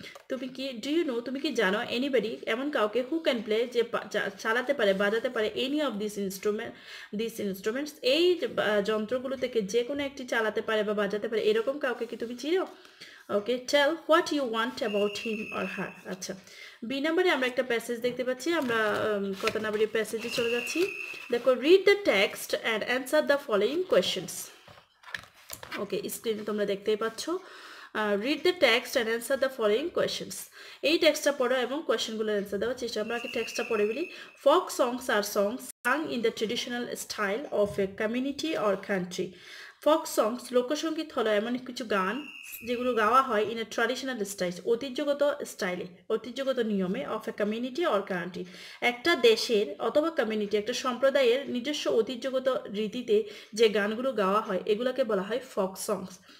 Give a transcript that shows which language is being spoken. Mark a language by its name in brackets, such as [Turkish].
[Bangla] তুমি কি [English] do you know [Bangla] তুমি কি জানো এনিবডি এমন কাউকে [English] who can play [Bangla] যে চালাতে পারে বাজাতে পারে [English] any of this instruments [Bangla] এই যন্ত্রগুলো থেকে যে কোনো একটি চালাতে পারে বা বাজাতে পারে এরকম কাউকে কি তুমি চিনো ওকে [English] tell what you want about him or her [Bangla] আচ্ছা বি নাম্বারে আমরা একটা প্যাসেজ দেখতে পাচ্ছি আমরা কত নাম্বারের প্যাসেজে চলে যাচ্ছি দেখো [English] read the text and answer the following questions [Bangla] ওকে স্ক্রিনে তোমরা দেখতেই পাচ্ছ [English] read the text and answer the following questions. [Bangla] এই টেক্সটটা পড়ো এবং কোশ্চেনগুলো অ্যানসার দাও চেষ্টা আমরা আগে টেক্সটটা পড়ে বলি folk songs আর songs [English] sung in the traditional style of a community or country. [Bangla] Folk সংস লোকসংগীত হলো এমন কিছু গান যেগুলো গাওয়া হয় [English] in a traditional style [Bangla] ঐতিহ্যগত স্টাইলে ঐতিহ্যগত নিয়মে [English] of a community or country [Bangla] একটা দেশের অথবা কমিউনিটি একটা সম্প্রদায়ের নিজস্ব ঐতিহ্যগত রীতিতে যে গানগুলো গাওয়া হয় এগুলোকে বলা হয় ফোক সংস